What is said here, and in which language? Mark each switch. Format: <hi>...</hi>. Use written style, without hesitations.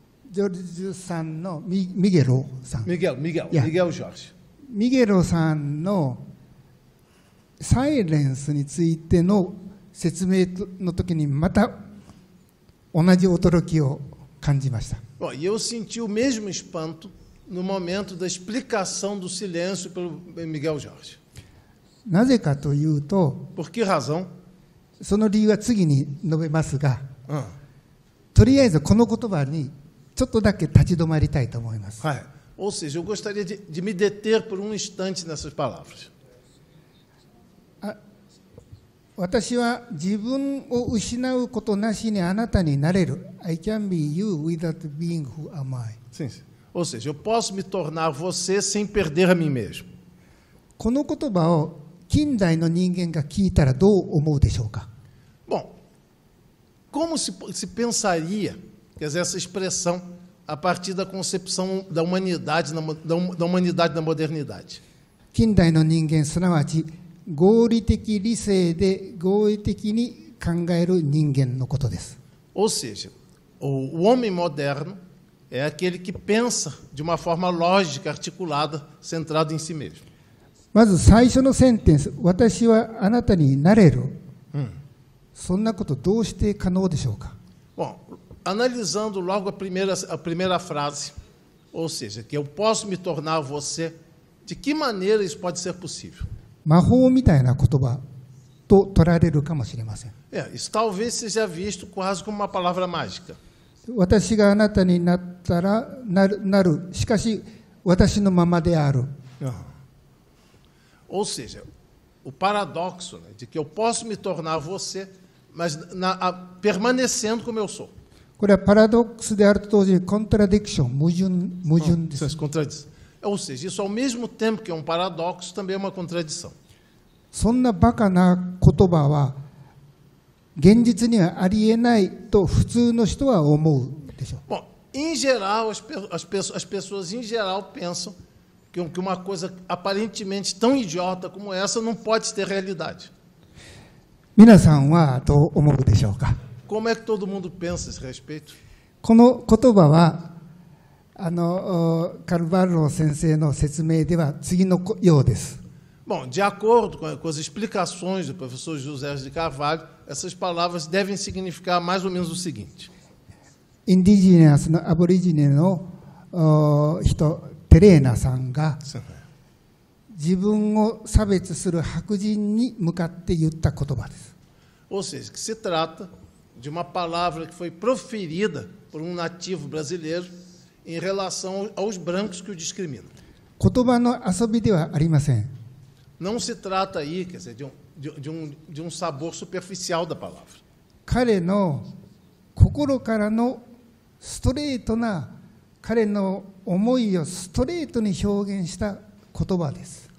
<ja>ジョージさんのミゲロさん。ミゲル、ジョージ。ミゲロさんのサイレンスについての説明の時にまた同じ驚きを感じました。</ja> <pt>Eu senti o mesmo espanto no momento da explicação do silêncio pelo Miguel Jorge.</pt> <ja>なぜかというと、</ja> <pt>Por que razão?</pt> <ja>その理由は次に述べますが、とりあえずこの言葉にちょっとだけ立ち止まりたいと思います。はい。</ja> <pt>Ou seja, eu gostaria de me deter por instante nessas palavras.</pt> <ja>私は自分を失うことなしにあなたになれる。</ja> <en>I can be you without being who am I.</en> <pt>Sim, sim. Ou seja, eu posso me tornar você sem perder a mim mesmo.</pt> <ja>この言葉を近代の人間が聞いたらどう思うでしょうか。</ja> <pt>Bom, como se pensaria, quer dizer, essa expressão a partir da concepção da humanidade na modernidade?</pt> <ja>近代の人間、すなわち合理的理性で合理的に考える人間のことです。</ja> <pt>Ou seja, o homem moderno é aquele que pensa de uma forma lógica, articulada, centrado em si mesmo.</pt> <ja>まず最初のセンテンス、私はあなたになれる。そんなことどうして可能でしょうか。</ja> <pt>Bom, analisando logo a primeira frase, ou seja, que eu posso me tornar você, de que maneira isso pode ser possível?</pt> <ja>魔法みたいな言葉と取られるかもしれません。</ja> <pt>Isso talvez seja visto quase como uma palavra mágica.</pt> <ja>私があなたになったらなる、しかし私のままである。</ja> <pt>Ou seja, o paradoxo, né, de que eu posso me tornar você, mas permanecendo como eu sou.</pt> <ja>これは paradoxo であると同時に contradiction, 矛盾です。</ja> <pt>Contradição. Ou seja, isso ao mesmo tempo que é um paradoxo, também é uma contradição.</pt> <ja>そんなバカな言葉は現実にはありえないと普通の人は思うでしょう。</ja> <pt>Bom, em geral, as pessoas em geral pensam que uma coisa aparentemente tão idiota como essa não pode ter realidade.</pt> <ja>皆さんはどう思うでしょうか。</ja> <pt>Como é que todo mundo pensa a esse respeito?</pt> <ja>この言葉はあのカルバルロ先生の説明では次のようです。</ja> <pt>Bom, de acordo com as explicações do professor José de Carvalho, essas palavras devem significar mais ou menos o seguinte:</pt> <ja>Indígenas, aborígenes, no, o, Terena, san, ga, 自分を差別する白人に向かって言った言葉です。</ja> <pt>Ou seja, que se trata de uma palavra que foi proferida por nativo brasileiro em relação aos brancos que o discriminam.</pt> <ja>言葉の遊びではありません。</ja> <pt>Não se trata aí, quer dizer, de um sabor superficial da palavra.</pt> <ja>彼の心からのストレートな彼の思いをストレートに表現した言葉です。</ja>